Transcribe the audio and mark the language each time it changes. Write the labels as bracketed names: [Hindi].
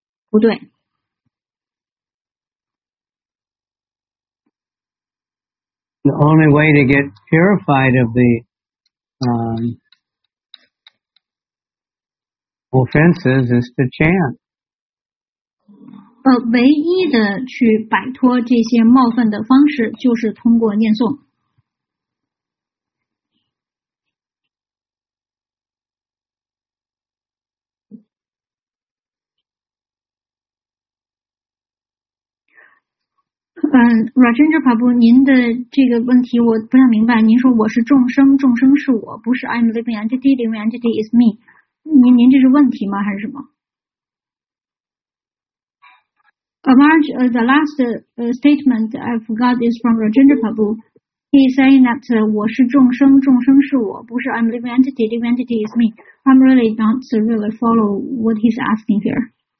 [Chinese] 不对。 [English] The only way to get purified of the offenses is to chant. [Chinese] 唯一的去摆脱这些冒犯的方式就是通过念诵。 Rajendra Prabhu, 您的这个问题我不太明白，您说我是众生，众生是我，不是 [English] I'm living entity, living entity is me. [Chinese] 您这是问题吗还是什么？ [English] The last statement I forgot is from Rajendra Prabhu. He is saying that [Chinese] 我是众生，众生是我，不是 [English] I'm living entity, living entity is me. I'm really not really follow what he's asking here.